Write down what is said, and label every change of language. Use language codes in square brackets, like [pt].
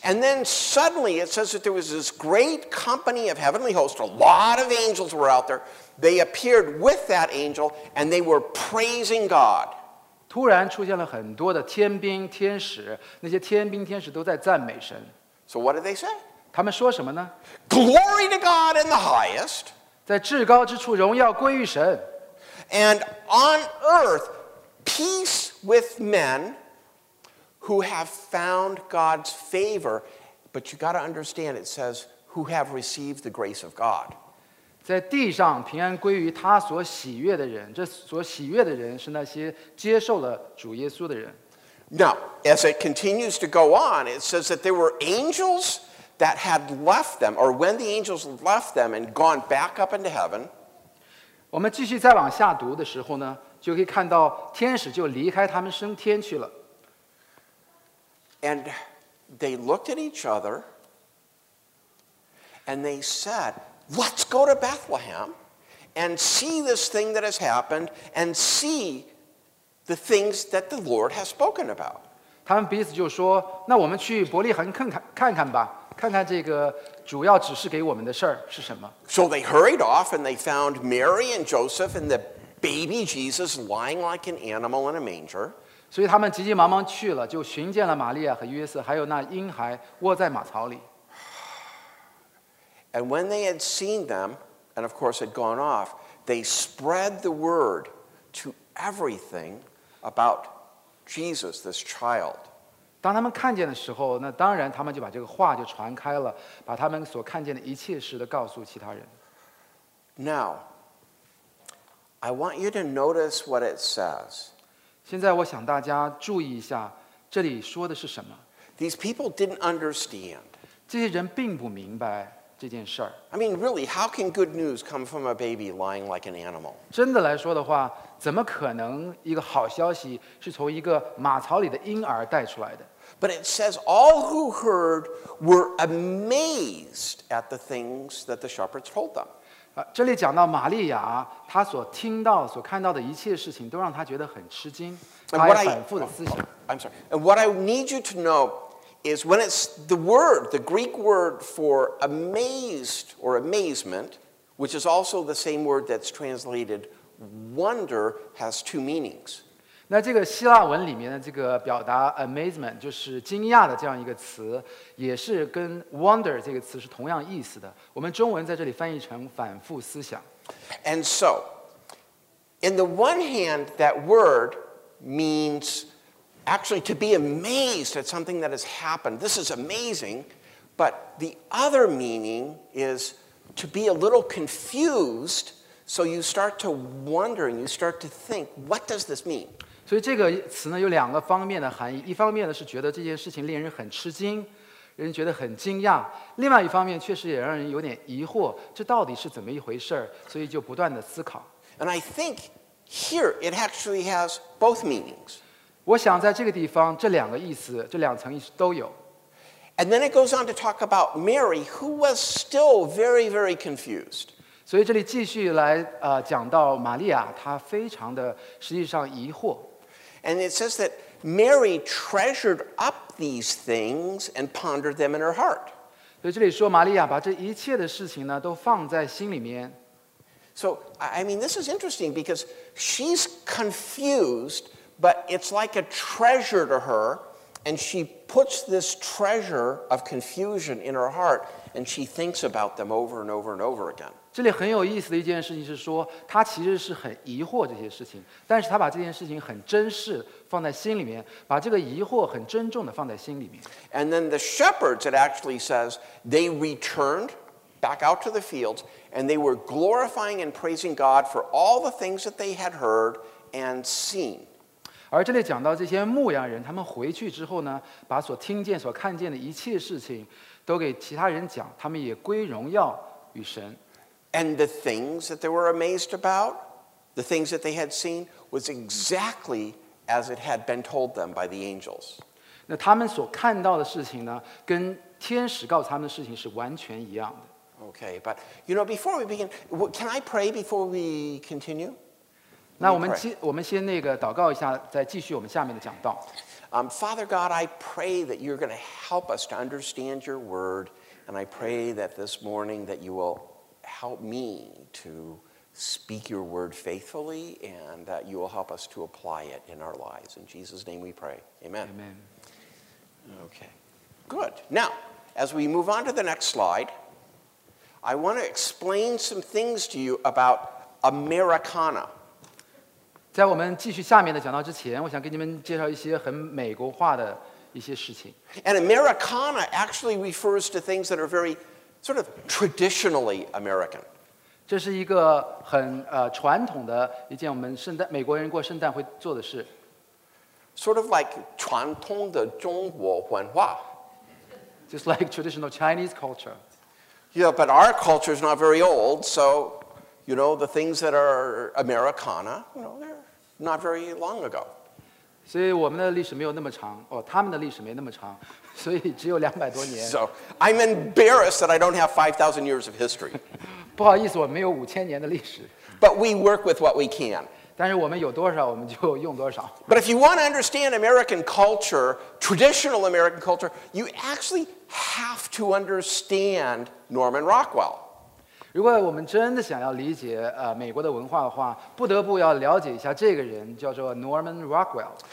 [en] And then suddenly it says that there was this great company of heavenly hosts, a lot of angels were out there. They appeared with that angel and they were praising God. [zh] 突然出现了很多的天兵天使，那些天兵天使都在赞美神。 [en] So what did they say? [zh] 他们说什么呢？ [en] Glory to God in the highest. [zh] 在至高之处荣耀归于神。 [en] And on earth, peace with men who have found God's favor. But you got to understand, it says, who have received the grace of God. [zh] 在地上平安归于他所喜悦的人，这所喜悦的人是那些接受了主耶稣的人。 [en] Now, as it continues to go on, it says that there were angels that had left them, or when the angels left them and gone back up into heaven. [zh] 我们继续再往下读的时候呢，就可以看到天使就离开他们升天去了。 [en] And they looked at each other, and they said,Let's go to Bethlehem and see this thing that has happened and see the things that the Lord has spoken about. [zh] 他们彼此就说，那我们去伯利恒看看吧，看看这个主要指示给我们的事儿是什么。 [en] So they hurried off and they found Mary and Joseph and the baby Jesus lying like an animal in a manger. [zh] 所以他们急急忙忙去了，就寻见了玛利亚和约瑟，还有那婴孩卧在马槽里。 [en] And when they had seen them, and of course had gone off, they spread the word to everything about Jesus, this child. [zh] 当他们看见的时候，那当然他们就把这个话就传开了，把他们所看见的一切事都告诉其他人。 [en] Now, I want you to notice what it says. [zh] 现在我想大家注意一下，这里说的是什么。 [en] These people didn't understand. [zh] 这些人并不明白这件事儿。 [en] I mean, really, how can good news come from a baby lying like an animal? [zh] 真的来说的话，怎么可能一个好消息是从一个马槽里的婴儿带出来的？ [en] But it says all who heard were amazed at the things that the shepherds told them. [zh] 这里讲到玛利亚，她所听到、所看到的一切事情都让她觉得很吃惊，她还反复的思想。 [en] I'm sorry. And what I need you to know is when it's the word, the Greek word for amazed or amazement, which is also the same word that's translated wonder, has two meanings. [zh] 那这个希腊文里面的这个表达 amazement 就是惊讶的这样一个词，也是跟 wonder 这个词是同样意思的。我们中文在这里翻译成反复思想。 [en] And so, in the one hand, that word means actually to be amazed at something that has happened. This is amazing, but the other meaning is to be a little confused. So you start to wonder and you start to think, what does this mean? [zh] 所以这个词呢有两个方面的含义。一方面呢是觉得这件事情令人很吃惊，令人觉得很惊讶。另外一方面确实也让人有点疑惑，这到底是怎么一回事，所以就不断的思考。 [en] And I think here it actually has both meanings. [zh] 我想在这个地方这两个意思，这两层意思都有。 [en] And then it goes on to talk about Mary, who was still very, very confused. [zh] 所以这里继续来讲到玛利亚，她非常的实际上疑惑。 [en] And it says that Mary treasured up these things and pondered them in her heart. [zh] 所以这里说玛利亚把这一切的事情呢都放在心里面。 [en] So, I mean, this is interesting because she's confused, but it's like a treasure to her, and she puts this treasure of confusion in her heart, and she thinks about them over and over and over again. [zh] 这里很有意思的一件事情是说，他其实是很疑惑这些事情，但是他把这件事情很珍视放在心里面，把这个疑惑很珍重的放在心里面。 [en] And then the shepherds, it actually says, they returned back out to the fields, and they were glorifying and praising God for all the things that they had heard and seen. [zh] 而这里讲到这些牧羊人，他们回去之后呢，把所听见、所看见的一切事情都给其他人讲，他们也归荣耀与神。 [en] And the things that they were amazed about, the things that they had seen, was exactly as it had been told them by the angels. [zh] 那他们所看到的事情呢，跟天使告诉他们的事情是完全一样的。 [en] Okay, but you know, before we begin, can I pray before we continue? [zh] 那我们先那个祷告一下，再继续我们下面的讲道。 [en] Father God, I pray that you're going to help us to understand your word, and I pray that this morning that you will. Help me to speak your word faithfully and that you will help us to apply it in our lives. In Jesus' name we pray. Amen. Amen. Okay. Good. Now, as we move on to the next slide, I want to explain some things to you about Americana. [zh] 在我们继续下面的讲道之前，我想给你们介绍一些很美国化的一些事情。 [en] And Americana actually refers to things that are very... Sort of traditionally American. [zh] 这是一个很传统的一件我们圣诞美国人过圣诞会做的事。 [en] Sort of like [zh] 传统的中国文化。 [en] Just like traditional Chinese culture. Yeah, but our culture is not very old, so you know the things that are Americana, you know, they're not very long ago. [zh] 所以我们的历史没有那么长，哦，他们的历史没那么长。所以只有两百多年。 [en] So I'm embarrassed that I don't have 5,000 years of history. [zh] 不好意思，我没有五千年的历史。 [en] But we work with what we can. [zh] 但是我们有多少，我们就用多少。 [en] But if you want to understand American culture, traditional American culture, you actually have to understand Norman Rockwell. [zh] 如果我们真的想要理解美国的文化的话，不得不要了解一下这个人，叫做 Norman Rockwell.